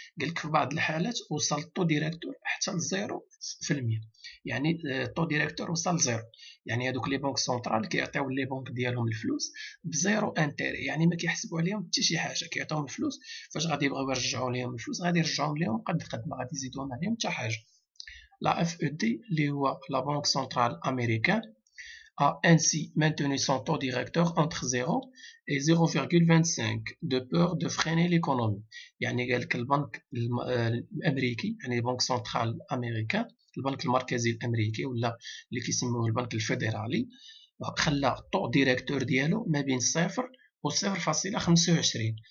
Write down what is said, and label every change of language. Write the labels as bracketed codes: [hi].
[ar] قالك في بعض الحالات وصل الطو ديريكتور حتى ل 0%، يعني الطو ديريكتور وصل زيرو، يعني هذوك لي بنك سنترال كيعطيو لي بنك ديالهم الفلوس بزيرو انتيري، يعني ما كيحسبوا عليهم حتى شي حاجه، كيعطيوهم الفلوس فاش غادي يبغيو يرجعوا لهم الفلوس غادي يرجعوا لهم قد ما غادي يزيدوهم عليهم حتى حاجه. [fr] لا اف او دي [ar] اللي هو [fr] لا بنك سنترال امريكان a ainsi maintenu son taux directeur entre 0 et 0,25 de peur de freiner l'économie. [ar] يعني قالك البنك الامريكي، يعني البنك سنترال امريكان، البنك المركزي الامريكي ولا اللي كيسموه البنك الفيدرالي، خلى الطو ديريكتور ديالو ما بين 0 و 0.25.